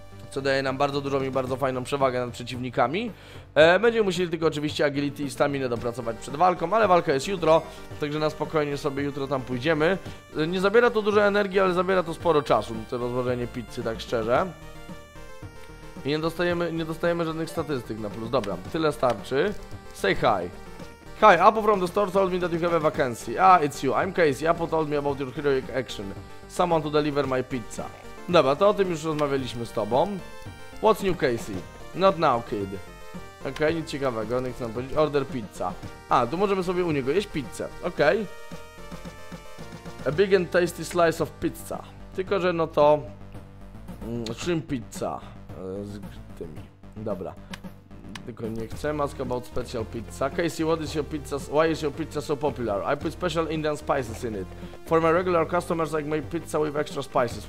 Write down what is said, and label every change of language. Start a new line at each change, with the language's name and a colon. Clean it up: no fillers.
Polish: co daje nam bardzo dużą i bardzo fajną przewagę nad przeciwnikami. Będziemy musieli tylko oczywiście agility i staminę dopracować przed walką, ale walka jest jutro, także na spokojnie sobie jutro tam pójdziemy. Nie zabiera to dużo energii, ale zabiera to sporo czasu, to rozłożenie pizzy, tak szczerze. I nie dostajemy żadnych statystyk na plus. Dobra, tyle starczy.
English: Say hi. Hi, Apple from the store told me that you have a vacancy. Ah, it's you. I'm Casey. Apple told me about your heroic action. Someone to deliver my pizza.
Polish: Dobra, to o tym już rozmawialiśmy z tobą.
English: What's new, Casey? Not now, kid.
Polish: Okej, nic ciekawego. Nie chcę nam powiedzieć.
English: Order pizza.
Polish: A, tu możemy sobie u niego jeść pizzę. Okej.
English: A big and tasty slice of pizza.
Polish: Tylko, że no to... shrimp pizza. Z tymi. Dobra. Tylko nie chcę.
English: Ask about special pizza. Casey, what is your pizza? Why is your pizza so popular? I put special Indian spices in it. For my regular customers, I make pizza with extra spices.